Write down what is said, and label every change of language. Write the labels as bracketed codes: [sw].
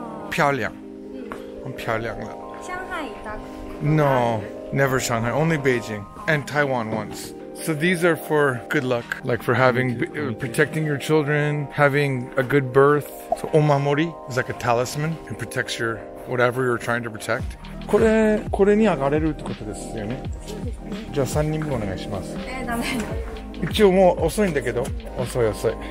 [zh] 漂亮。漂亮了。上海的。 [en] No, never Shanghai, only Beijing and Taiwan once. So these are for good luck, like for having, protecting your children, having a good birth. So omamori is like a talisman. It protects your, whatever you're trying to protect. [ja] これに上がれるってことですよね?じゃあ3人分お願いします。ダメだ。一応もう遅いんだけど、遅い遅い。